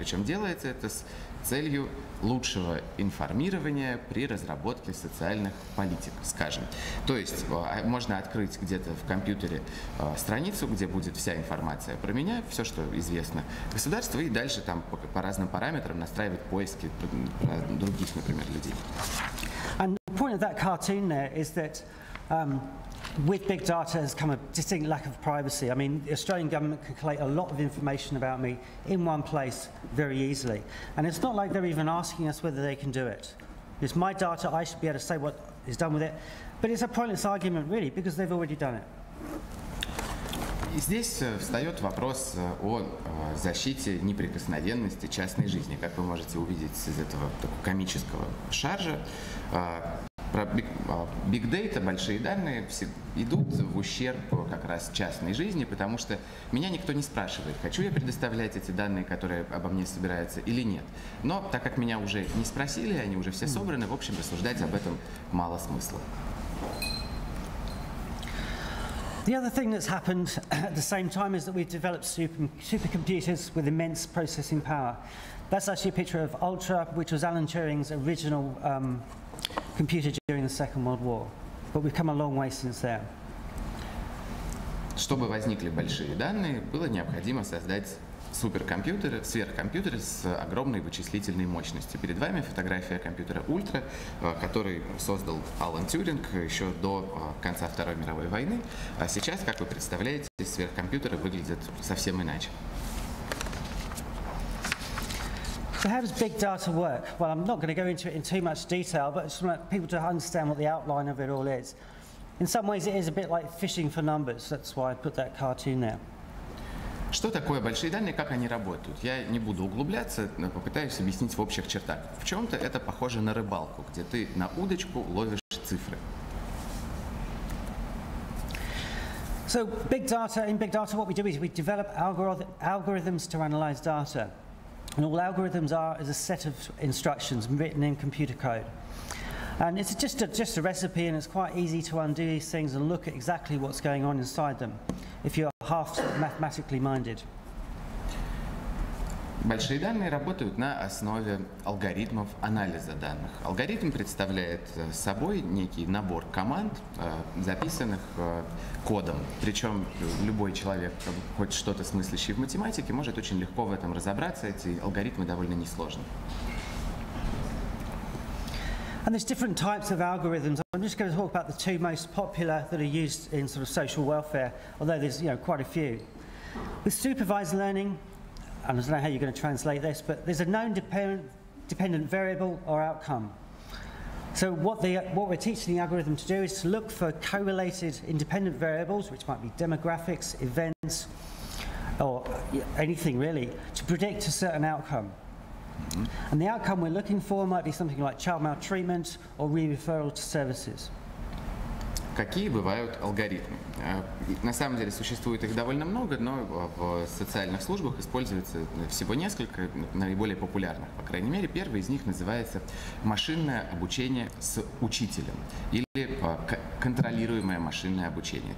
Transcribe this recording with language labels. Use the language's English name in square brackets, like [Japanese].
[Russian] Причем делается это с целью лучшего информирования при разработке социальных политик, скажем. То есть можно открыть где-то в компьютере страницу, где будет вся информация про меня, все, что известно государству, и дальше там по разным параметрам настраивать поиски других, например, людей. [English] And the point of that cartoon there is that with big data has come a distinct lack of privacy. I mean, the Australian government can collect a lot of information about me in one place very easily. And it's not like they're even asking us whether they can do it. It's my data, I should be able to say what is done with it. But it's a pointless argument, really, because they've already done it. [Russian] И здесь встает вопрос о защите неприкосновенности частной жизни. Как вы можете увидеть из этого такого комического шаржа, про big data, большие данные, все идут в ущерб как раз частной жизни, потому что меня никто не спрашивает, хочу я предоставлять эти данные, которые обо мне собираются, или нет. Но так как меня уже не спросили, они уже все собраны, в общем, рассуждать об этом мало смысла. [English] The other thing that's happened at the same time is that we've developed supercomputers with immense processing power. That's actually a picture of Ultra, which was Alan Turing's original computer during the Second World War. But we've come a long way since then. [Russian] Чтобы возникли большие данные, было необходимо создать суперкомпьютеры, сверхкомпьютеры с огромной вычислительной мощностью. Перед вами фотография компьютера Ultra, который создал Алан Тьюринг еще до конца Второй мировой войны. А сейчас, как вы представляете, сверхкомпьютеры выглядят совсем иначе. [English] So how does big data work? Well, I'm not going to go into it in too much detail, but I just want people to understand what the outline of it all is. In some ways, it is a bit like fishing for numbers. That's why I put that cartoon there. [Russian] Что такое большие данные, как они работают? Я не буду углубляться, но попытаюсь объяснить в общих чертах. В чем-то это похоже на рыбалку, где ты на удочку ловишь цифры. [English] So big data, in big data, what we do is we develop algorithms to analyze data. And all algorithms are is a set of instructions written in computer code. And it's just a recipe, and it's quite easy to undo these things and look at exactly what's going on inside them, if you're half mathematically minded. [Russian] Большие данные работают на основе алгоритмов анализа данных. Алгоритм представляет собой некий набор команд, записанных кодом. Причем любой человек, хоть что-то смыслящий в математике, может очень легко в этом разобраться. Эти алгоритмы довольно несложны. [English] And there's different types of algorithms. I'm just going to talk about the two most popular that are used in sort of social welfare, although there's, you know, quite a few. With supervised learning, I don't know how you're going to translate this, but there's a known dependent variable or outcome. So what we're teaching the algorithm to do is to look for correlated independent variables, which might be demographics, events, or anything really, to predict a certain outcome. Mm-hmm. And the outcome we're looking for might be something like child maltreatment or re-referral to services. [Russian] Какие бывают алгоритмы? На самом деле существует их довольно много, но в социальных службах используется всего несколько, наиболее популярных, по крайней мере. Первый из них называется машинное обучение с учителем или контролируемое машинное обучение.